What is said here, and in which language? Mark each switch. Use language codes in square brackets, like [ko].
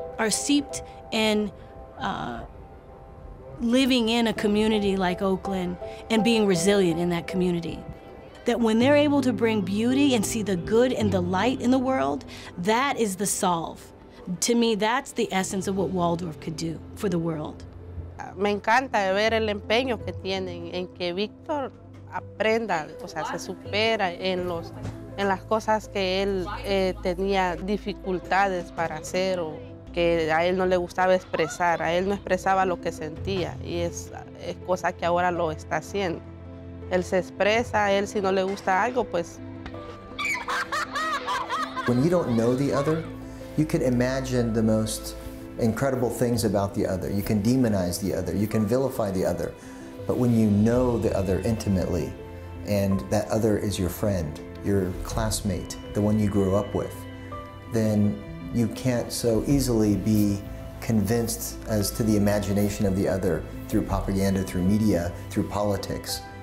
[en] are seeped in living in a community like Oakland and being resilient in that community. That when they're able to bring beauty and see the good and the light in the world, that is the solve. To me, that's the essence of what Waldorf could do for the world. [es] Me encanta ver el empeño que tienen en que Víctor aprenda, o sea, se supera en los en las cosas que él tenía dificultades para hacer o que a él no le gustaba expresar, a él no expresaba lo que sentía y es cosa que ahora lo está haciendo. Él se expresa, él si no le gusta algo, pues. [en] When you don't know the other, you can imagine the most incredible things about the other. You can demonize the other, you can vilify the other. But when you know the other intimately, and that other is your friend, your classmate, the one you grew up with, then you can't so easily be convinced as to the imagination of the other through propaganda, through media, through politics.